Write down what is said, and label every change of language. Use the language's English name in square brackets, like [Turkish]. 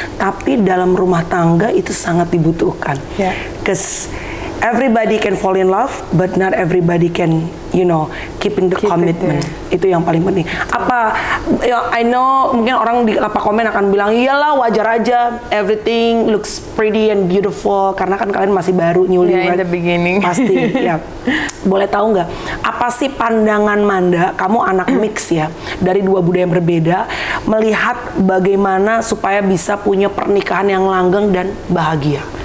[Indonesian] Tapi dalam rumah tangga itu sangat dibutuhkan. [English] Because everybody can fall in love, but not everybody can, you know, keeping the commitment. [Indonesian] Itu yang paling penting. Apa, [English] you know, I know [Indonesian] mungkin orang di lapak komen akan bilang, iyalah wajar aja, [English] everything looks pretty and beautiful, [Indonesian] karena kan kalian masih baru, newlywed. [English] Yeah, in the beginning. [Indonesian] Pasti, Boleh tahu nggak, apa sih pandangan Manda, kamu anak mix ya, dari dua budaya yang berbeda, melihat bagaimana supaya bisa punya pernikahan yang langgeng dan bahagia?